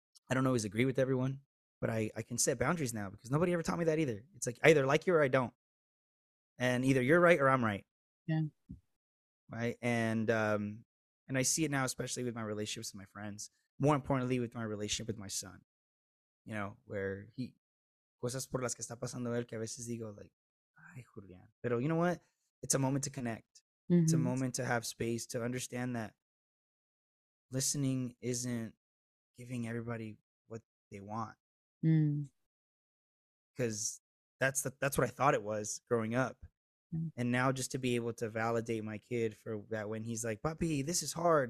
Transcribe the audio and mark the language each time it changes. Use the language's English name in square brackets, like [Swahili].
[English] I don't always agree with everyone, but I can set boundaries now because nobody ever taught me that either. It's like, either like you or I don't. And either you're right or I'm right. Yeah. Right. And I see it now, especially with my relationships with my friends. More importantly, with my relationship with my son, you know, where he... [Spanish] cosas por las que está pasando él, que a veces digo, like, ay, Julián. [English] Pero you know what? It's a moment to connect. It's a moment to have space, to understand that listening isn't giving everybody what they want. Because that's what I thought it was growing up. And now just to be able to validate my kid for that, when he's like, papi, this is hard.